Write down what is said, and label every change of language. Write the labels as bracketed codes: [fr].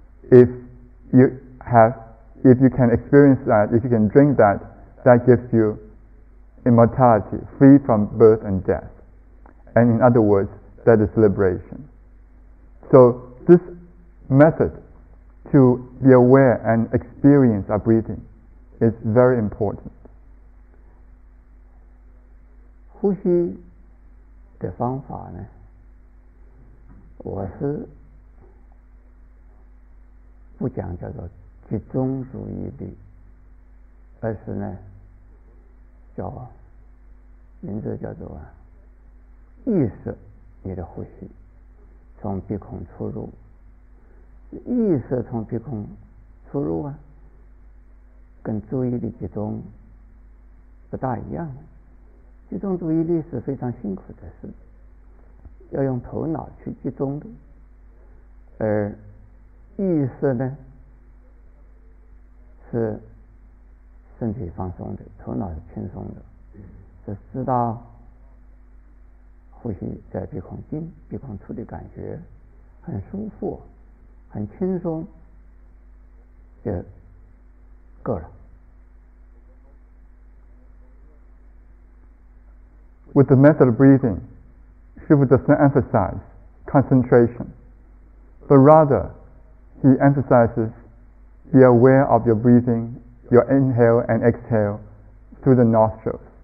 [en] If you can experience that, if you can drink that, that gives you immortality, free from birth and death. And in other words, that is liberation. So this method to be aware and experience our breathing is very important. [zh] 呼吸的方法呢，我是不讲叫做集中注意力，而是呢叫名字叫做啊意识你的呼吸从鼻孔出入，意识从鼻孔出入啊跟注意力集中不大一样。集中注意力是非常辛苦的事，要用头脑去集中的，而意识呢是身体放松的，头脑是轻松的，是知道呼吸在鼻孔进鼻孔出的感觉很舒服很轻松就够了。 [en] With the method of breathing, Shiva does not emphasize concentration, but rather he emphasizes be aware of your breathing, your inhale and exhale through the nostrils.